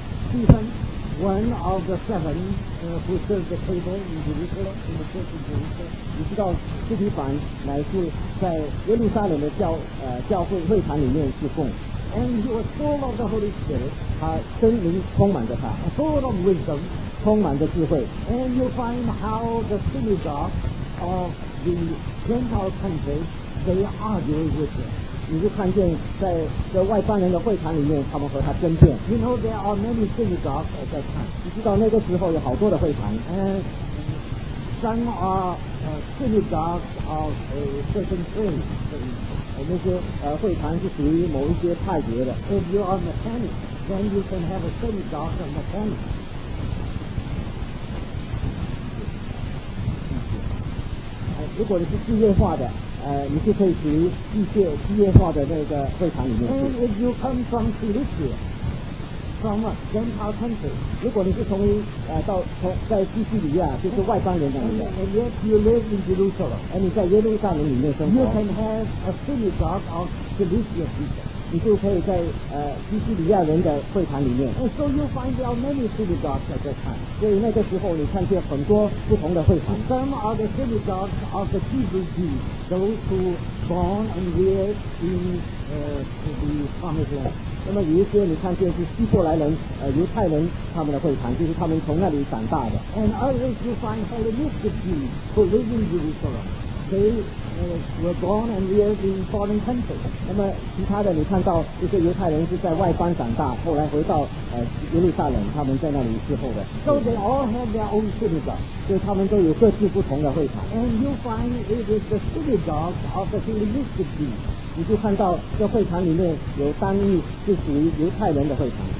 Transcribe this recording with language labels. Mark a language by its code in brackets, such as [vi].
[en] Stephen, one of the seven who served the table in Jerusalem, in the church in Jerusalem. [zh] 你知道斯提凡乃是在耶路撒冷的教会会堂里面侍奉。 [en] And he was full of the Holy Spirit. [zh] 他真灵充满着他。 [en] Full of wisdom. [zh] 充满着智慧。 [en] And you find how the synagogue of the Gentile countries, they argue with him. [zh] 你就看见在这外邦人的会场里面，他们和他争辩。 [en] You know there are many synagogues at that time. [zh] 你知道那个时候有好多的会场。 [en] Some are synagogues of a certain faith. [zh] 那些会场是属于某一些派别的。 [en] If you are mechanic, then you can have a synagogue of mechanics. [zh] 如果你是机械化的你就可以属于机械化的那个会场里面。 [en] And if you come from Cilicia, from a Gentile country, [zh] 如果你是从在西西里亚就是外邦人那里的。 [en] And yet you live in Jerusalem. [zh] 而你在耶路撒冷里面生活。 [en] You can have a synagogue of Cilicia people. [zh] 你就可以在西西里亚人的会堂里面。 [en] And so you find out many synagogues at that time. [zh] 所以那个时候你看见很多不同的会堂。 [en] Some are the synagogues of the Hebrew Jews, those who born and reared in the Promised Land. [zh] 那么有一些你看见是希伯来人犹太人他们的会堂，就是他们从那里长大的。 [en] And others you find Hellenistic Jews who live in Jerusalem. They were born and reared in foreign countries. [zh] 那么其他的你看到一些犹太人是在外邦长大，后来回到耶路撒冷，他们在那里之后的。 [en] So they all have their own synagogue. [zh] 所以他们都有各自不同的会场。 [en] And you find it is the synagogue of the Hellenistic Jews. [zh] 你就看到这会场里面有单一是属于犹太人的会场。